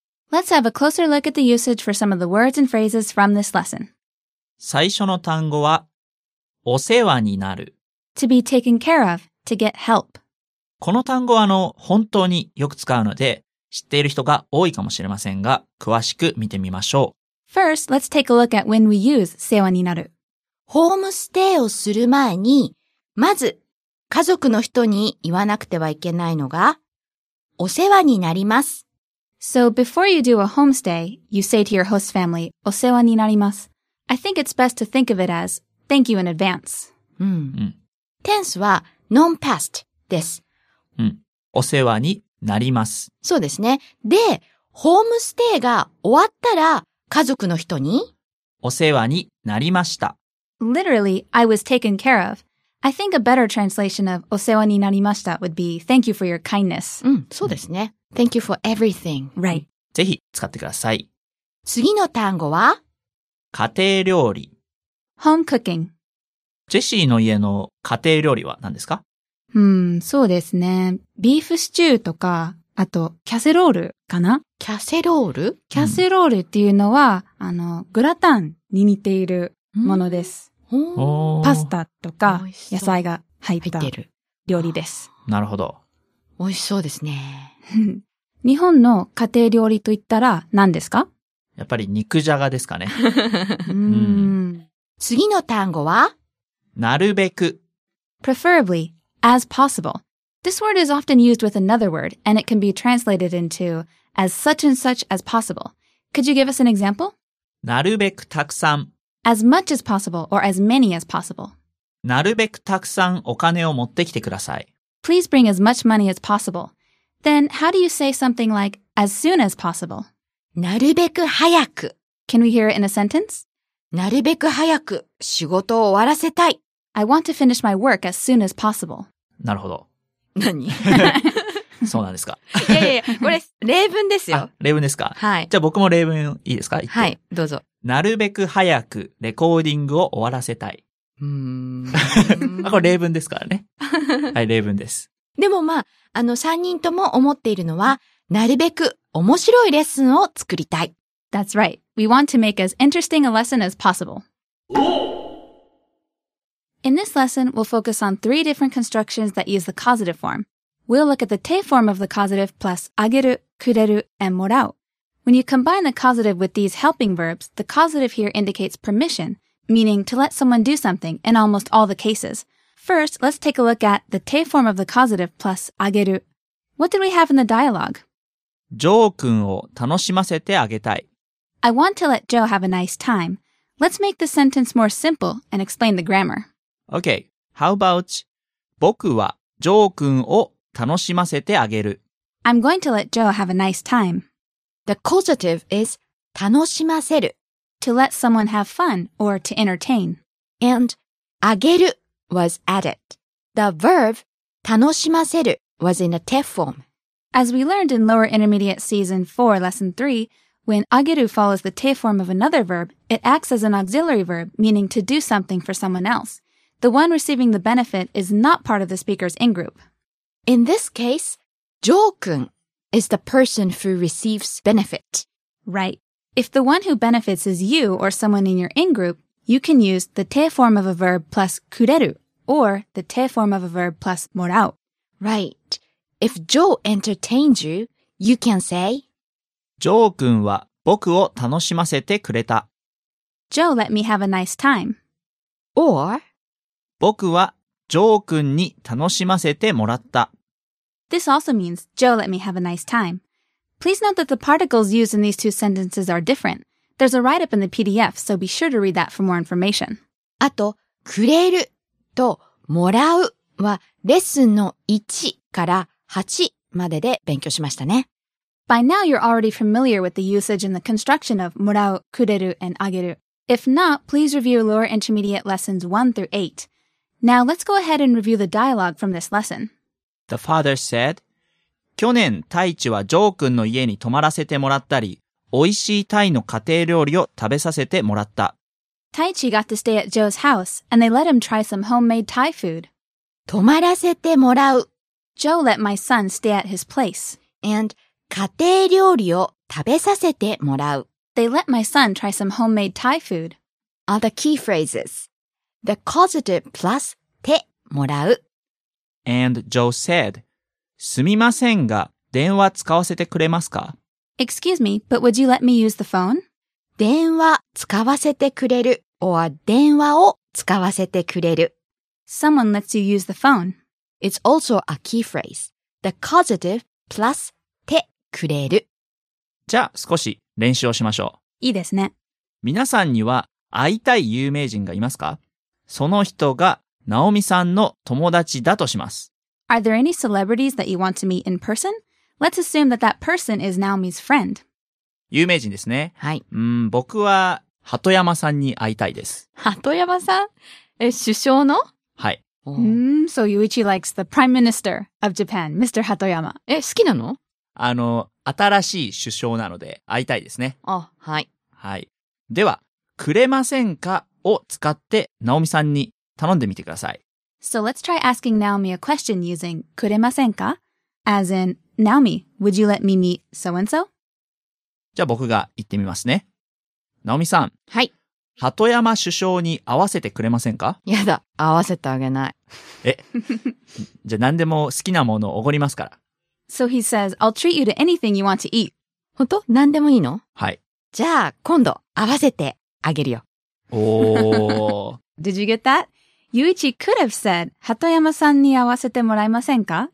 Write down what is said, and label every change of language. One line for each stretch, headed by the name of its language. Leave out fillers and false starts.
English: Let's have a closer look at the usage for some of the words and phrases from this lesson.
Japanese: 最初の単語は、お世話になる。
English: To be taken care of, to get help.
Japanese: この単語は本当によく使うので、知っている人が多いかもしれませんが、詳しく見てみましょう。
English: First, let's take a look at when we use 世話になる。
Japanese: ホームステイをする前に、まず家族の人に言わなくてはいけないのが、お世話になります。
English: So before you do a home stay, you say to your host family,
Japanese: お世話になります。
English: I think it's best to think of it as thank you in advance.
Japanese: Tense は non-past です。お世話になります。そうですね。で、ホームステイが終わったら家族の人にお世話になりました。
English: Literally, I was taken care of. I think a better translation of
Japanese: お世話になりました
English: would be thank you for your kindness.
Japanese: そうですね。
English: Thank you for everything. Right.
Japanese: ぜひ使ってください。次の単語は家庭料理。 Home cooking. ジェシーの家の家庭料理は何ですか？そうですね。ビーフシチューとか、ああと、キャセロールかな？キャセロール？キャセロールっていうのは、うん、グラタンに似ているものです。うん、おパスタとか、野菜が入った料理です。なるほど。美味しそうですね。日本の家庭料理といったら何ですか？やっぱり肉じゃがですかね。うん、次の単語は？なるべく。
English: Preferably, as possible. This word is often used with another word, and it can be translated into as such and such as possible. Could you give us an example?
Japanese: なるべくたくさん。
English: As much as possible or as many as possible.
Japanese: なるべくたくさんお金を持ってきてください。
English: Please bring as much money as possible. Then, how do you say something like as soon as possible?
Japanese: なるべく早く。
English: Can we hear it in a sentence?
Japanese: なるべく早く仕事を終わらせたい。
English: I want to finish my work as soon as possible.
Japanese: なるほど。何そうなんですか。いやいや、これ例文ですよ。例文ですか。はい。じゃあ僕も例文いいですか。はい、どうぞ。なるべく早くレコーディングを終わらせたい。これ例文ですからね。はい、例文です。でもまあ、3人とも思っているのは、なるべく面白いレッスンを作りたい。
English: That's right. We want to make as interesting a lesson as possible. In this lesson, we'll focus on three different constructions that use the causative form. We'll look at the te form of the causative plus あげる, くれる, and もらう. When you combine the causative with these helping verbs, the causative here indicates permission, meaning to let someone do something in almost all the cases. First, let's take a look at the te form of the causative plus あげる. What did we have in the dialogue?
Japanese: ジョー君を楽しませてあげたい.
English: I want to let Joe have a nice time. Let's make the sentence more simple and explain the grammar. Okay, how about
Japanese: 僕はジョー君を楽しませてあげる。
English: I'm going to let Joe have a nice time. The causative is 楽しませる。 To let someone have fun or to entertain. And あげる was added. The verb 楽しませる was in a te form. As we learned in Lower Intermediate Season 4, Lesson 3, when あげる follows the te form of another verb, it acts as an auxiliary verb, meaning to do something for someone else. The one receiving the benefit is not part of the speaker's in-group. In this case, ジョー君 is the person who receives benefit. Right. If the one who benefits is you or someone in your in-group, you can use the te form of a verb plus くれる or the te form of a verb plus もらう. Right. If ジョー entertains you, you can say,
Japanese: ジョー君は僕を楽しませてくれた.
English: Joe let me have a nice time. Or,
Japanese: 僕はジョー君に楽しませてもらった。
English: This also means, Joe let me have a nice time. Please note that the particles used in these two sentences are different. There's a write-up in the PDF, so be sure to read that for more information.
Japanese: あと、くれるともらうはレッスンの1から8までで勉強しましたね。
English: By now, you're already familiar with the usage and the construction of もらう、くれる、and あげる. If not, please review Lower Intermediate Lessons 1 through 8. Now, let's go ahead and review the dialogue from this lesson. The father said,
Japanese: 去年、タイチはジョー君の家に泊まらせてもらったり、おいしいタイの家庭料理を食べさせてもらった。
English: タイチ got to stay at Joe's house, and they let him try some homemade Thai food. 泊まらせてもらう。 Joe let my son stay at his place.
Japanese: And 家庭料理を食べさせてもらう。
English: They let my son try some homemade Thai food. Are the key phrases. The causative plus てもらう。 And Joe said,
Japanese: すみませんが、電話使わせてくれますか?
English: Excuse me, but would you let me use the phone?
Japanese: 電話使わせてくれる or 電話を使わせてくれる。
English: Someone lets you use the phone. It's also a key phrase. The causative plus てくれる。
Japanese: じゃあ少し練習をしましょう。いいですね。皆さんには会いたい有名人がいますか?その人がナオミさんの友達だとします。 Are there any celebrities that you want to meet in person? Let's assume that that person is Naomi's friend. 有名人ですね。はい。僕は鳩山さんに会いたいです。鳩山さん?首相の? はい。
English: So Yuichi likes the Prime Minister of Japan, Mr.
Japanese: 鳩山。好きなの? 新しい首相なので会いたいですね。あ、はい。はい。では、くれませんか? を使ってナオミさんに頼んでみてください。
English: So let's try asking Naomi a question using くれませんか? As in, Naomi, would you let me meet so-and-so?
Japanese: じゃあ僕が言ってみますね。ナオミさん。はい。鳩山首相に会わせてくれませんか？やだ、会わせてあげない。え、じゃあ何でも好きなものをおごりますから。 So he says, I'll treat you to anything you want to eat. 本当？何でもいいの？はい。じゃあ今度会わせてあげるよ。おお。
English: Did you get that? Yuichi could have said,
Japanese: 鳩山さんに会わせてもらえませんか？